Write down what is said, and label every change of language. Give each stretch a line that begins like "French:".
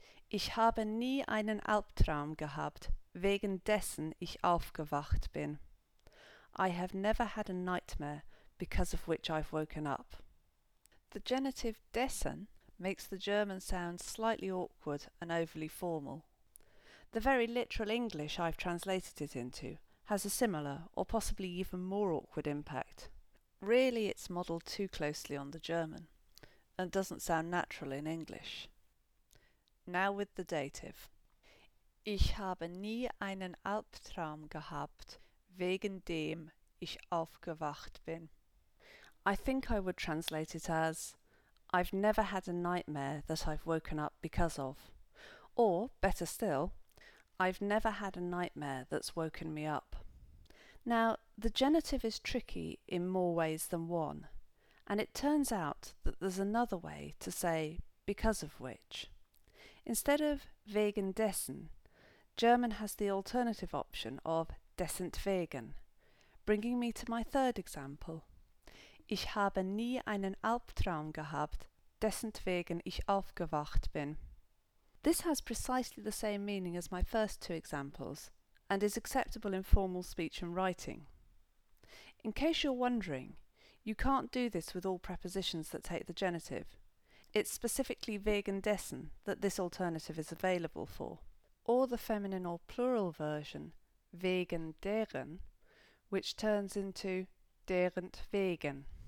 German: Ich habe nie einen Albtraum gehabt, wegen dessen ich aufgewacht bin.
English: I have never had a nightmare because of which I've woken up. The genitive dessen makes the German sound slightly awkward and overly formal. The very literal English I've translated it into has a similar, or possibly even more awkward impact. Really, it's modelled too closely on the German, and doesn't sound natural in English. Now with the dative.
German: Ich habe nie einen Albtraum gehabt, wegen dem ich aufgewacht bin.
English: I think I would translate it as, I've never had a nightmare that I've woken up because of. Or, better still, I've never had a nightmare that's woken me up. Now, the genitive is tricky in more ways than one, and it turns out that there's another way to say because of which. Instead of
German: wegen dessen,
English: German has the alternative option of deswegen, bringing me to my third example.
German: Ich habe nie einen Albtraum gehabt, deswegen ich aufgewacht bin.
English: This has precisely the same meaning as my first two examples, and is acceptable in formal speech and writing. In case you're wondering, you can't do this with all prepositions that take the genitive. It's specifically
German: wegen dessen
English: that this alternative is available for, or the feminine or plural version,
German: wegen deren,
English: which turns into derentwegen.